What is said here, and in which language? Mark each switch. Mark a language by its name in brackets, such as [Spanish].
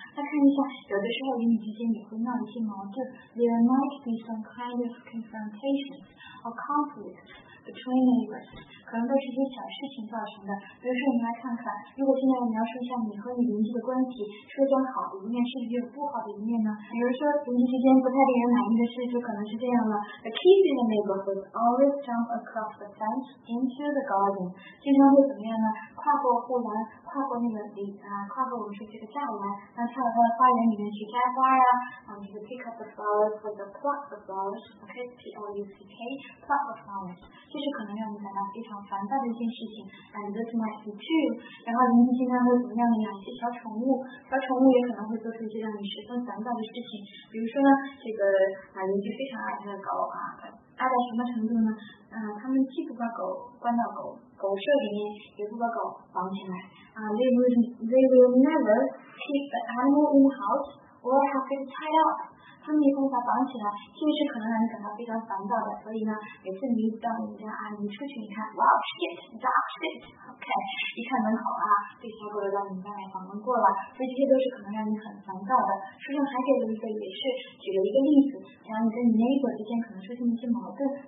[Chinese] 那看一下，有的时候邻里之间也会闹一些矛盾 ， [English] There might be some kind of confrontations or conflicts between neighbors， [Chinese] 可能都是一些小事情造成的。比如说，我们来看看，如果现在我们要说一下你和你邻居的关系，说一点好的一面，甚至有不好的一面呢？比如说，邻居之间不太令人满意的事，就可能是这样了。 [English] The kids in the neighborhood always jump across the fence into the garden. [Chinese] 经常会怎么样呢？跨过护栏，跨过那个跨过我们说这个栅栏，那跳到花园里面去摘花呀、啊。 [English] 这个 pick up the flowers or the pluck the flowers, okay? P-L-U-C-K, pluck the flowers. [Chinese] 这是可能让你感到非常烦躁的一件事情。 [English] And this might be true. [Chinese] 然后邻居经常会怎么样呢？养一些小宠物，小宠物也可能会做出一些让你十分烦躁的事情。比如说呢，这个邻居非常爱他的。狗啊，爱到什么程度呢？他们既不把狗关到狗舍里面，也不把狗绑起来。 [English] They will never keep the animal in the house or have it tied up。 [Chinese] 他们也无法绑起来，这是可能让你感到非常烦躁的。所以呢，每次你到你家啊，你出去你看 ， [English] Wow shit dog shit， [Chinese] OK， 一看门口啊，这小狗又到你家来访问过了，所以这些都是可能让你很烦躁的。书中还给了一个，也是举了一个例子，讲你跟你 neighbor 之间可能出现一些矛盾。